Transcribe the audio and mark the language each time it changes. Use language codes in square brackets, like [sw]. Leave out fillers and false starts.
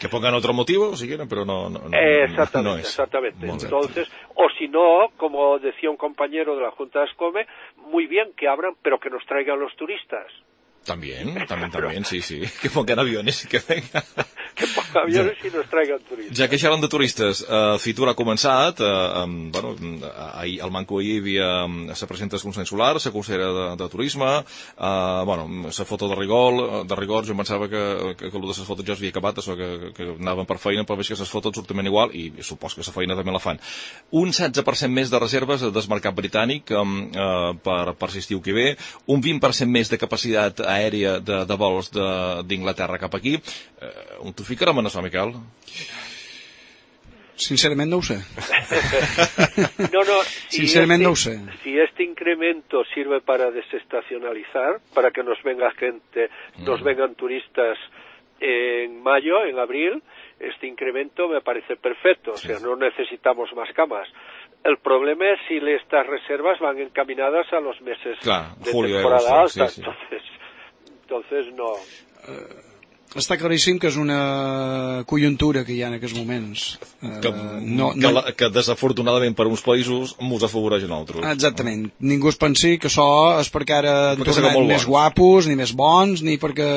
[es] sí. Que pongan otro motivo, si quieren, pero no. Exactamente, no es. Exactamente. Entonces, o si no, como decía un compañero de la Junta de Ascome, muy bien que abran, pero que nos traigan los turistas. También, sí, sí. Que pongan aviones y que venga. Que pongan aviones y nos traigan turistas. [ca] Ja que xerren de turistes, Fitur ha començat, bueno, ahir, al Manco hi havia la presidenta del Consell Solar, la consellera de Turisme, bueno, la foto de rigor, jo pensava que allò de les fotos ja s'havia acabat, això que anaven per feina, però veig que les fotos surten igual, i supos que la feina també la fan. Un 16% més de reserves del mercat britànic per l'estiu que ve, un 20% més de capacitat aèria de vols d'Inglaterra cap aquí. On t'ho ficarem, en això, Miquel? Sincerament no ho sé. No, sincerament no ho sé. [es] Si este incremento sirve para desestacionalizar, para que nos venga gente, nos vengan turistas en mayo, en abril, este incremento me parece perfecto. Sí. O sea, no necesitamos más camas. El problema es si estas reservas van encaminadas a los meses de julio, temporada alta. Sí, sí. Entonces no. [ca] Està claríssim que és una conjuntura que hi ha en aquests moments. Que desafortunadament per uns països mos afavoreix en altres. Exactament. Ningú es pensi que això és perquè ara han tornat més guapos, ni més bons, ni perquè...